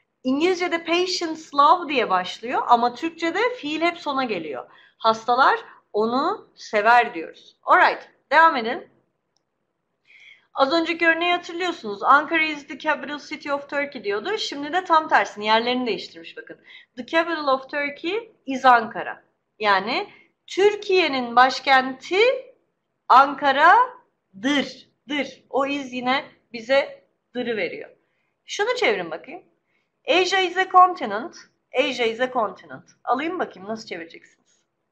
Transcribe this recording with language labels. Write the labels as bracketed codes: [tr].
[tr] İngilizce'de [en] patients love [tr] diye başlıyor ama Türkçe'de fiil hep sona geliyor. Hastalar onu sever diyoruz. Alright, devam edin. Az önceki örneği hatırlıyorsunuz. [en] Ankara is the capital city of Turkey [tr] diyordu. Şimdi de tam tersini, yerlerini değiştirmiş bakın. [en] The capital of Turkey is Ankara. [tr] Yani Türkiye'nin başkenti Ankara'dır. O iz yine bize dırı veriyor. Şunu çevirin bakayım. [en] Asia is a continent. Asia is a continent. [tr] Alayım bakayım nasıl çevireceksiniz?